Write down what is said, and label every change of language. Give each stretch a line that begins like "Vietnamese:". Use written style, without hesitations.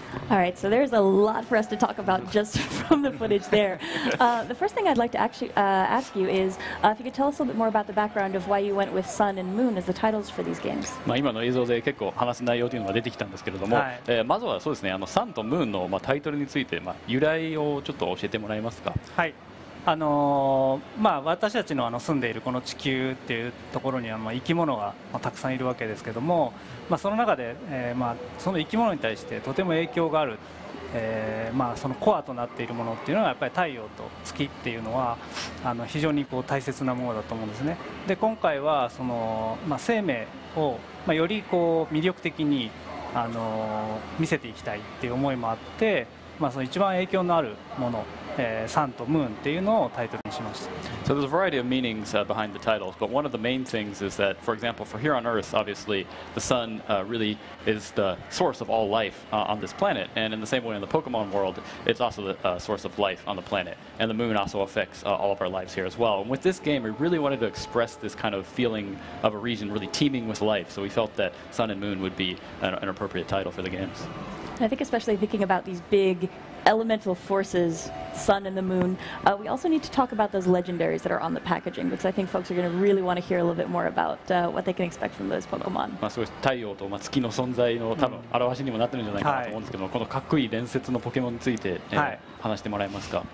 English: right, so there's a lot for us to talk about just from the footage there. The first thing I'd like to actually ask you is if you could tell us a little bit more about the background of why you went with Sun and Moon as the titles for these games.
Japanese: まあ今の映像で結構話す内容というのが出てきたんですけれども、はい、まずはそうですね、Sun と Moon のまあタイトルについて、まあ、由来をちょっと教えてもらえますか。はい、まあ、私たち の住んでいるこの地球っていうところには、まあ、生き物がたくさんいるわけですけども、まあ、その中で、まあ、その生き物に対してとても影響がある、まあ、そのコアとなっているものっていうのはやっぱり太陽と月っていうのは非常にこう大切なものだと思うんですね。で今回はその、まあ、生命を、まあ、よりこう魅力的に、見せていきたいっていう思いもあって、まあ、その一番影響のあるものSun to Moon っていうのをタイトルにしました。
English: So there's a variety of meanings behind the titles, but one of the main things is that, for example, for here on Earth, obviously, the sun really is the source of all life on this planet. And in the same way in the Pokemon world, it's also the source of life on the planet. And the moon also affects all of our lives here as well. And with this game, we really wanted to express this kind of feeling of a region really teeming with life. So we felt that Sun and Moon would be an appropriate title for the games. I think especially thinking about these big elemental forces, sun and the moon, we also need to talk about those legendaries that are on the packaging, because I think folks are going to really want to hear a little bit more about what they can expect from those Pokemon.
Japanese: まあ、そうです。太陽と、まあ、月の存在の多分、表しにもなってるんじゃないかなと思うんですけども、このかっこいい伝説のポケモンについて、話してもらえますか。